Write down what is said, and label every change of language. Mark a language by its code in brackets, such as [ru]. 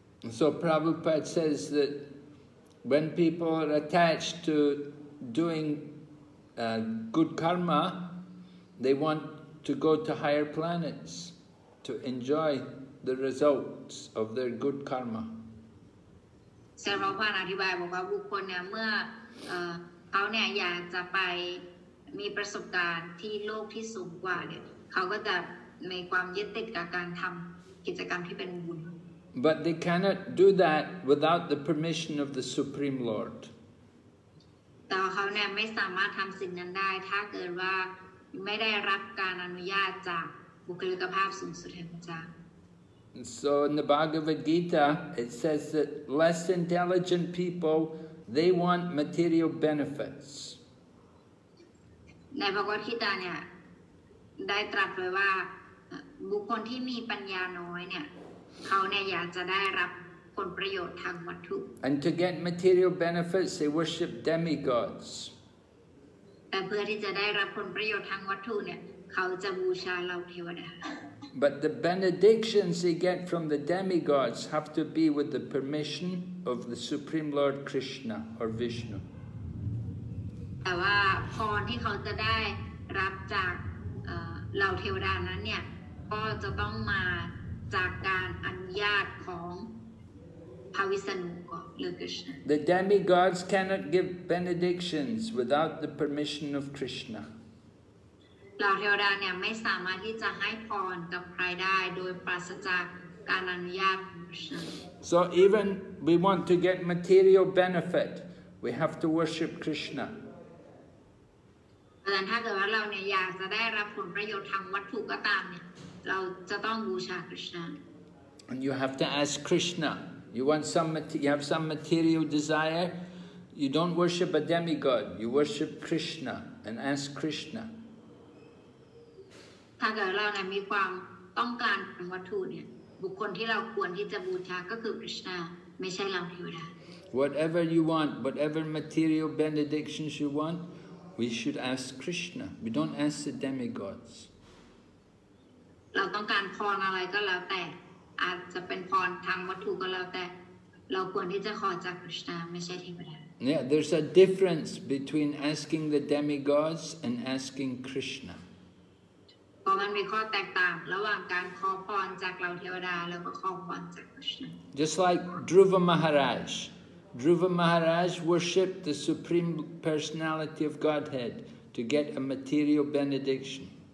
[en] So Prabhupada says that when people are attached to doing good karma, they want to go to higher planets to enjoy the results of their good karma. [th] เซอร์พระพานอธิบายบอกว่าบุคคลเนี่ยเมื่อเขาเนี่ยอยากจะไปมีประสบการณ์ที่โลกที่สูงกว่าเนี่ยเขาก็จะมีความยึดติดกับการทำกิจกรรมที่เป็นบุญ [en] But they cannot do that without the permission of the Supreme Lord. [th] แต่เขาเนี่ยไม่สามารถทำสิ่งนั้นได้ถ้าเกิดว่าไม่ได้รับการอนุญาตจากบุคลิกภาพสูงสุดแห่งพระเจ้า [en] So in the Bhagavad Gita, it says that less intelligent people, they want material benefits. [th] ในพระกฏฐีตาเนี่ยได้ตรัสไว้ว่าบุคคลที่มีปัญญาน้อยเนี่ยเขาเนี่ยอยากจะได้รับผลประโยชน์ทางวัตถุ [en] And to get material benefits they worship demigods [th] แต่เพื่อที่จะได้รับผลประโยชน์ทางวัตถุเนี่ยเขาจะบูชาเหล่าเทวดา [en] But the benedictions they get from the demigods have to be with the permission of the Supreme Lord Krishna or Vishnu [th] แต่ว่าพรที่เขาจะได้รับจากเหล่าเทวดานั้นเนี่ยก็จะต้องมาจากการอนุญาตของพระวิษณุก็หรือ Krishna [en] The demigods cannot give benedictions without the permission of Krishna [th] เหล่าเทวดาเนี่ยไม่สามารถที่จะให้พรกับใครได้โดยปราศจากการอนุญาตของ Krishna [en] So even we want to get material benefit we have to worship Krishna [th] แต่ถ้าเกิดว่าเราเนี่ยอยากจะได้รับผลประโยชน์ทางวัตถุก็ตามเนี่ยเราจะต้องบูชา Krishna [en] And you have to ask Krishna You have some material desire you don't worship a demigod you worship Krishna and ask Krishna [th] ถ้าเกิดเราเนี่ยมีความต้องการทางวัตถุเนี่ยบุคคลที่เราควรที่จะบูชาก็คือ Krishna ไม่ใช่เราเทวดา [en] Whatever you want whatever material benedictions you want we should ask Krishna we don't ask the demigods [th] เราต้องการพรอะไรก็แล้วแต่อาจจะเป็นพรทางวัตถุก็แล้วแต่เราควรที่จะขอจากกฤษณาไม่ใช่เทวดา [en] Yeah there's a difference between asking the demigods and asking Krishna [th] ก็มันมีข้อแตกต่างระหว่างการขอพรจากเหล่าเทวดาแล้วก็ขอพรจากกฤษณา [en] Just like Dhruva MaharajDhruva Maharaj worshipped the Supreme Personality of Godhead to get a material benediction.